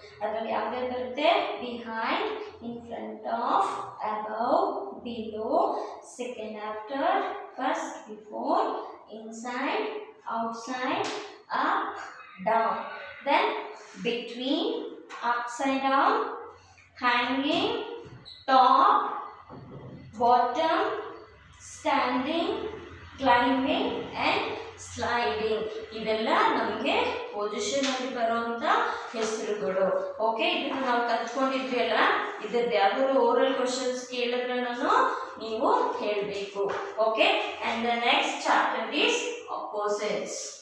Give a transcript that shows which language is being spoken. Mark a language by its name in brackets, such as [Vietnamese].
[Kannada] ಅದರಲ್ಲಿ ಯಾವ್ದೇ ಬರುತ್ತೆ? [English] Behind, in front of, above, below, second after, first before, inside, outside, up down, then between, upside down, hanging, top, bottom, standing, climbing and sliding. [Kannada] ಇದೆಲ್ಲ ನಮಗೆ position ಅಲ್ಲಿ ಬರುವಂತ ಹೆಸರುಗಳು. Okay, ಇದನ್ನ ನಾವು ಕಲ್ತ್ಕೊಂಡಿದ್ವಿ ಅಲ್ಲ, ಇದ್ರದ್ದು ಯಾವ್ದಾದ್ರು ಓರಲ್ ಕ್ವೆಶನ್ಸ್ ಕೇಳಿದ್ರೆ ನೀವು ಹೇಳಬೇಕು. [English] Okay, and the next chapter is opposites.